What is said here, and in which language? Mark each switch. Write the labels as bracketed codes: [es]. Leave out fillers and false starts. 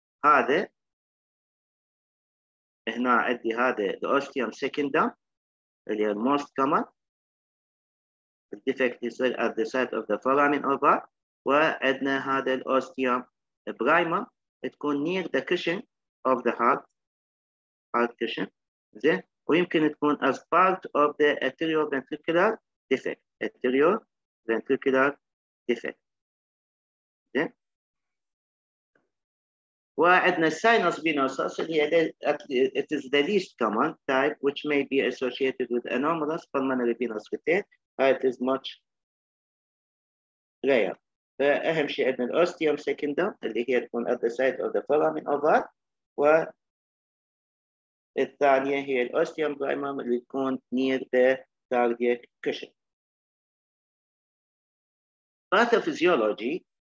[ar] هذا هنا عندي هذا [en] the ostium secundum [ar] اللي هو [en] most common. The defect is at the site of the foramen ovale. [ar] وعندنا هذا [en] the ostium ibrimum. [ar] تكون [en] near the cushion of the heart cushion. [ar] زين ويمكن تكون [en] as part of the atrioventricular defect. Ventricular defect. [ar] وعندنا [en] sinus venosus, it is the least common type which may be associated with anomalous pulmonary venous return, it is much rare. [ar] فأهم شيء عندنا الاوستيوم سكندر اللي هي تكون [en] at the site of the foramen ovale, [ar] والثانية هي الاوستيوم برايمم اللي تكون [en] near the cardiac cushion. Pathophysiology.